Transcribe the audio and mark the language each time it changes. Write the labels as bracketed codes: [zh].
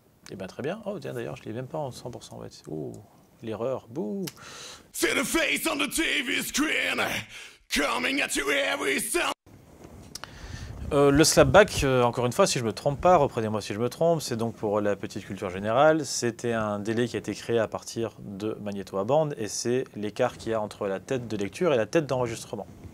[fr] Et ben très bien. Oh tiens, d'ailleurs, je l'ai même pas en 100%. En fait. Oh, l'erreur, bouh. [en] See the face on the TV screen, coming at you every Sunday. [fr] Le slapback, encore une fois, si je me trompe pas, reprenez-moi si je me trompe, c'est donc pour la petite culture générale, c'était un délai qui a été créé à partir de magnéto à bande, et c'est l'écart qu'il y a entre la tête de lecture et la tête d'enregistrement.